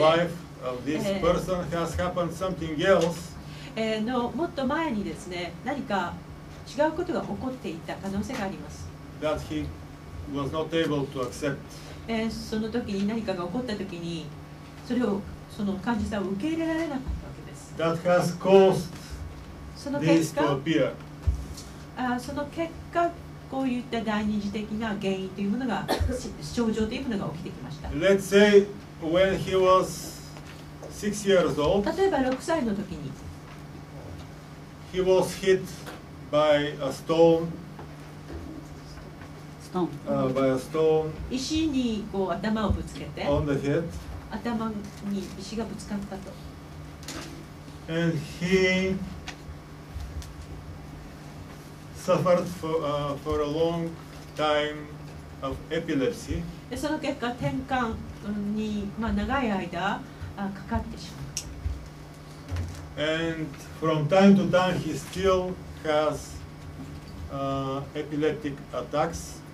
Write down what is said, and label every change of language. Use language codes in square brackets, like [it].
[en] life of this person has happened something else. [ja] のもっと前にですね、何か違うことが起こっていた可能性があります。 [en] That he was not able to accept. [ja] その時に何かが起こった時に、それをその患者さんを受け入れられなかったわけです。 [en] That has caused this to appear. [ja] その結果。こういった第二次的な原因というものが症状というものが起きてきました。 [en] Let's say when he was six years old, [ja] 例えば6歳の時に [en] he was hit by a stone, by a stone [ja] 石にこう頭をぶつけて [en] on the head, [ja] 頭に石がぶつかったと。 [en] And heSuffered for a long time of epilepsy. [ja] その結果転換に、まあ、長い間かかってしまう。 [en] And from time to time he still has epileptic attacks.